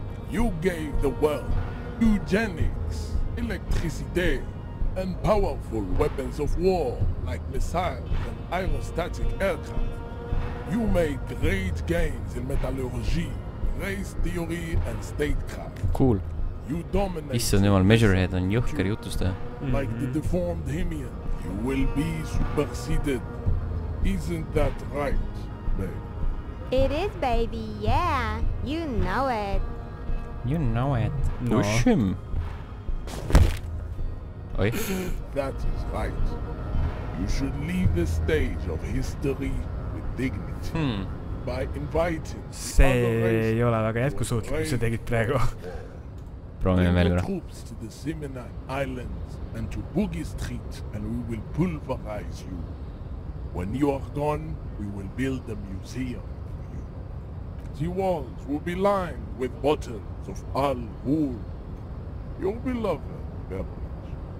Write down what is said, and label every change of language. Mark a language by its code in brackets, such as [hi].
[en] You gave the world eugenics, electricité, and powerful weapons of war like missiles and aerostatic aircraft. You made great gains in metallurgy, race theory, and statecraft. Cool. You dominate. [et] Issa nimel Measurehead on jõhker jutustaja. [en] Like the deformed Himian, you will be superseded. Isn't that right, babe? It is, baby. Yeah, you know it. You know it. No. Push him. Oi. That is right. You should leave the stage of history with dignity. By inviting [et] see ei ole väga jätkusuutlik, mis sa tegid praegu. Proovime veel korra. [en] Troops to the Seminine Islands and to Boogie Street and we will pulverize you. When you are gone, we will build a museum. The walls will be lined with bottles of Al Ghul, your beloved beverage.